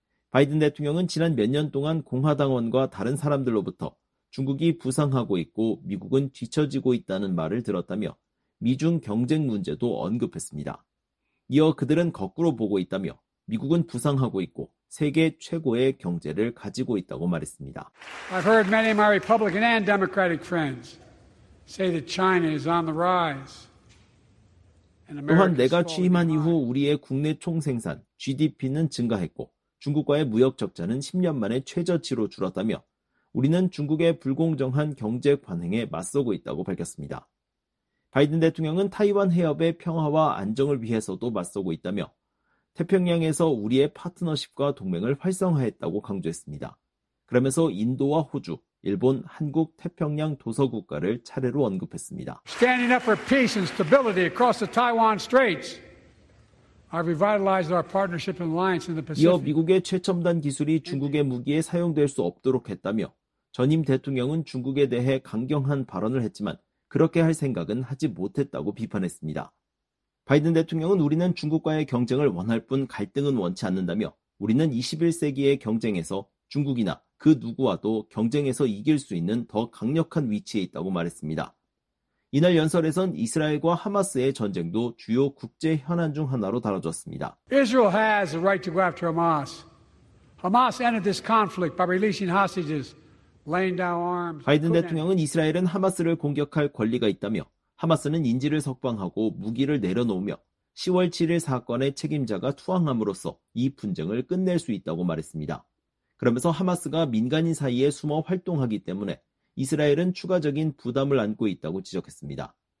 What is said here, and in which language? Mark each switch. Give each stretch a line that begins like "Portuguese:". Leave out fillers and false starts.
Korean: 바이든 대통령은 지난 몇 년 동안 공화당원과 다른 사람들로부터 중국이 부상하고 있고 미국은 뒤처지고 있다는 말을 들었다며 미중 경쟁 문제도 언급했습니다. 이어 그들은 거꾸로 보고 있다며 미국은 부상하고 있고 세계 최고의 경제를 가지고 있다고 말했습니다.
English: I've heard many of my Republican and Democratic friends say that China is on the rise.
Korean: 또한 내가 취임한 이후 우리의 국내 총 생산, GDP는 증가했고 중국과의 무역 적자는 10년 만에 최저치로 줄었다며 우리는 중국의 불공정한 경제 관행에 맞서고 있다고 밝혔습니다. 바이든 대통령은 타이완 해협의 평화와 안정을 위해서도 맞서고 있다며 태평양에서 우리의 파트너십과 동맹을 활성화했다고 강조했습니다. 그러면서 인도와 호주, 일본, 한국, 태평양 도서국가를 차례로 언급했습니다.
English: Standing up for peace and stability across the Taiwan Straits. I revitalized our partnership and alliance in the Pacific.
Korean: 이어 미국의 최첨단 기술이 중국의 무기에 사용될 수 없도록 했다며 전임 대통령은 중국에 대해 강경한 발언을 했지만 그렇게 할 생각은 하지 못했다고 비판했습니다. 바이든 대통령은 우리는 중국과의 경쟁을 원할 뿐 갈등은 원치 않는다며 우리는 21세기의 경쟁에서 중국이나 그 누구와도 경쟁에서 이길 수 있는 더 강력한 위치에 있다고 말했습니다. 이날 연설에선 이스라엘과 하마스의 전쟁도 주요 국제 현안 중 하나로 다뤄졌습니다.
English: Israel has a right to go after Hamas. Hamas ended this conflict by releasing hostages, laying down arms.
Korean: 바이든 대통령은 이스라엘은 하마스를 공격할 권리가 있다며 하마스는 인질을 석방하고 무기를 내려놓으며 10월 7일 사건의 책임자가 투항함으로써 이 분쟁을 끝낼 수 있다고 말했습니다. 그러면서 하마스가 민간인 사이에 숨어 활동하기 때문에 이스라엘은 추가적인 부담을 안고 있다고 지적했습니다.